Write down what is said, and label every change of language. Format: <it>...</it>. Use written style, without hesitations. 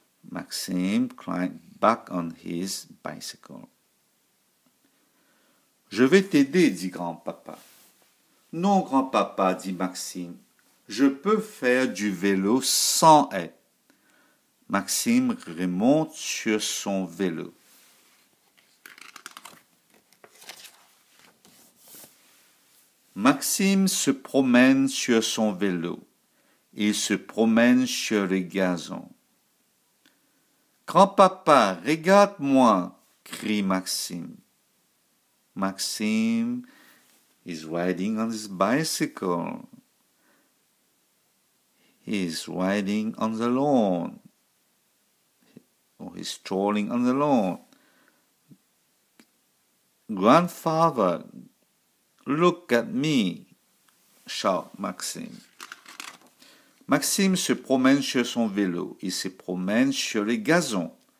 <en>Maxime climbs back on his bicycle.</en> <fr>« Je vais t'aider, » dit grand-papa. « Non, grand-papa, » dit Maxime, « je peux faire du vélo sans aide. » Maxime remonte sur son vélo. Maxime se promène sur son vélo. Il se promène sur le gazon. Grand-papa, regarde-moi, crie Maxime.</fr> <en>Maxime is riding on his bicycle. He is riding on the lawn. Or he's strolling on the lawn. Grandfather, look at me, shout Maxime.</en> <fr>Maxime se promène sur son vélo. Il se promène sur les gazons.</fr>